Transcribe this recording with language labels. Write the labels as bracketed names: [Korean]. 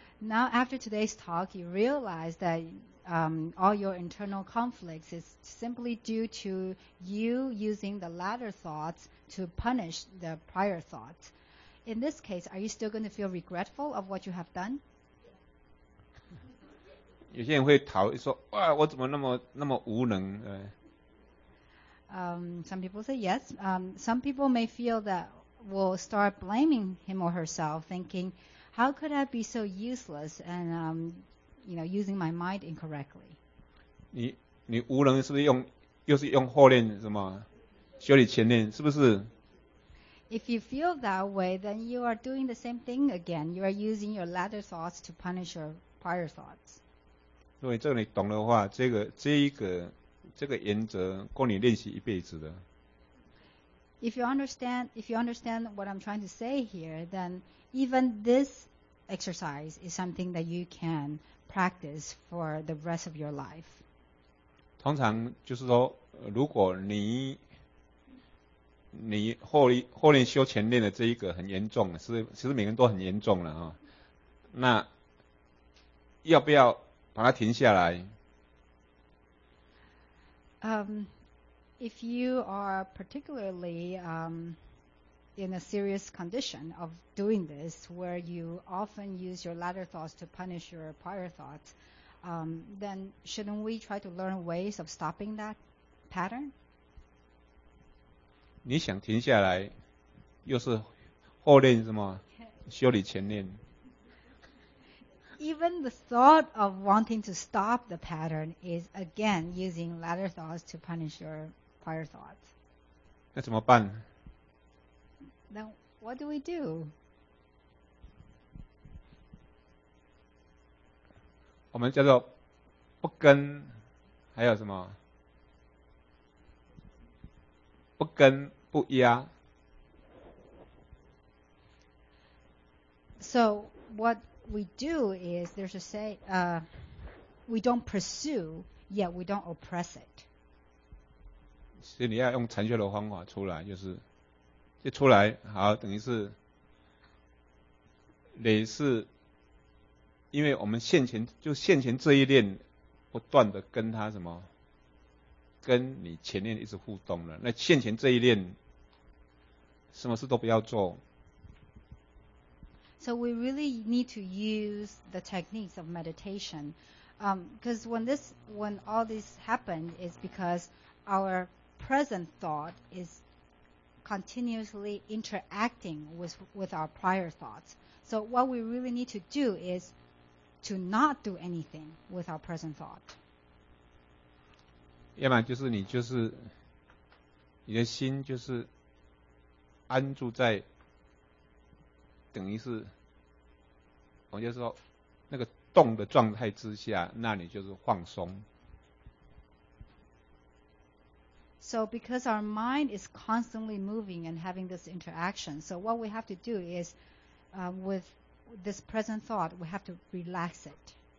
[English] Now after today's talk, you realize that all your internal conflicts is simply due to you using the latter thoughts to punish the prior thoughts. In this case, are you still going to feel regretful of what you have done? [Chinese] 有些人会逃说，哇，我怎么那么无能？ [English] Some people say yes. Some people may feel that will start blaming him or herself, thinking, how could I be so useless and using my mind incorrectly. [Chinese] 你无能是不是又是用后念什么修理前念是不是？ [English] If you feel that way, then you are doing the same thing again. You are using your latter thoughts to punish your prior thoughts. [Chinese] 如果这个你懂的话，这个原则够你练习一辈子的。 [English] If you understand what I'm trying to say here, then even this exercise is something that you can practice for the rest of your life. [Chinese] 通常就是说，如果你后念修前念的这一个很严重，其实每个人都很严重了哈。那要不要把它停下来？ [English] If you are particularly in a serious condition of doing this, where you often use your latter thoughts to punish your prior thoughts, then shouldn't we try to learn ways of stopping that pattern? [Chinese] 你想停下来，又是后念什么？修理前念。 [English] Even the thought of wanting to stop the pattern is again using latter thoughts to punish your prior thoughts. [Chinese] 那怎么办？ [English] Then what do we do? [Chinese] 我们叫做不跟，还有什么？不跟不压。 [English] So what we do is there's a say, we don't pursue, yet we don't oppress it. [Chinese] 所以你要用禅修的方法出来，就是。就出来，好，等于是累是，因为我们现前这一念不断的跟他什么，跟你前念一直互动了。那现前这一念，什么事都不要做。 [English] So we really need to use the techniques of meditation. Because when all this happened, is because our present thought is continuously interacting with our prior thoughts. So what we really need to do is to not do anything with our present thought. [Chinese] 要么就是你的心就是安住在等于是我就是说那个动的状态之下，那你就是放松。 [English] So because our mind is constantly moving and having this interaction, so what we have to do is with this present thought, we have to relax it.